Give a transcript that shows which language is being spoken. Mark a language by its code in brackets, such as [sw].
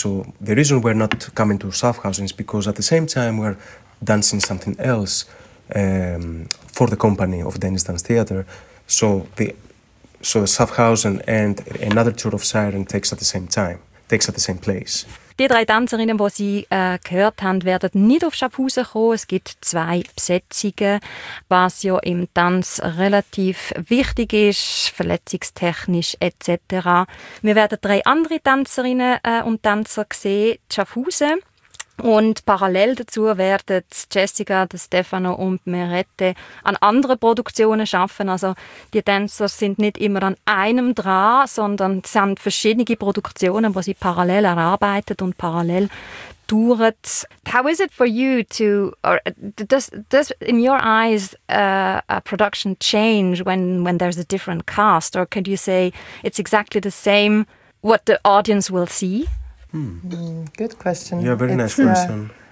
[en] So the reason we're not coming to Schaffhausen is because at the same time we're dancing something else for the company of Dennis Dance Theater. So Schaffhausen and another tour of Siren takes at the same place. [de] Die drei Tänzerinnen, die Sie gehört haben, werden nicht auf Schaffhausen kommen. Es gibt zwei Besetzungen, was ja im Tanz relativ wichtig ist, verletzungstechnisch etc. Wir werden drei andere Tänzerinnen und Tänzer sehen, Schaffhausen. Und parallel dazu werden Jessica, Stefano und Merette an anderen Produktionen arbeiten. Also die Tänzer sind nicht immer an einem dran, sondern es sind verschiedene Produktionen, die sie parallel erarbeiten und parallel touren. [en] How is it for you to, or does in your eyes a production change when there's a different cast? Or can you say it's exactly the same what the audience will see? Good question. Yeah, very nice question.